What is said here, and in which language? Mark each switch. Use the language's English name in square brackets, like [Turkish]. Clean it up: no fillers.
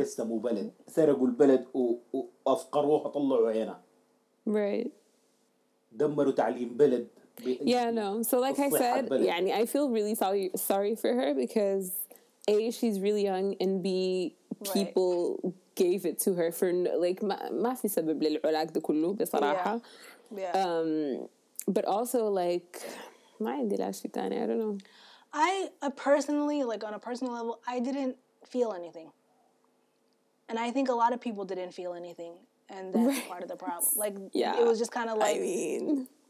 [Arabic] قسموا بلد سرقوا البلد وأفقروها طلعوا عينها [English] right [Arabic] دمروا تعليم بلد [English] yeah no so like I said بلد. يعني I feel really sorry for her because A she's really young and B people right. gave it to her for like [Arabic] ما في سبب للعلاق ده كله بصراحة [English] yeah. Yeah. But also like [Arabic] ما عندي لاشي تاني [English] I don't know I personally like on a personal level I didn't feel anything. And I think a lot of people didn't feel anything, and that's right. part of the problem. Like, yeah. It was just kind of like, I mean,